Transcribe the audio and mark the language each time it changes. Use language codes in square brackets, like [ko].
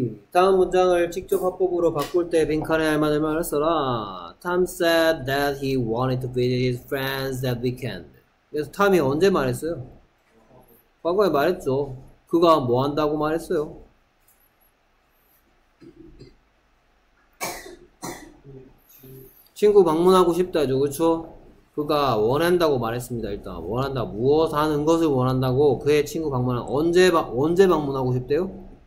[ko] 다음 문장을 직접 합법으로 바꿀 때 빈칸에 알맞을 말을 써라. [en] Tom said that he wanted to visit his friends that weekend. [ko] 그래서 Tom이 언제 말했어요? 과거에 말했죠. 그가 뭐 한다고 말했어요? 친구 방문하고 싶다죠, 그쵸? 그가 원한다고 말했습니다. 일단 원한다. 무엇 하는 것을 원한다고 그의 친구 방문은 언제 방문하고 싶대요?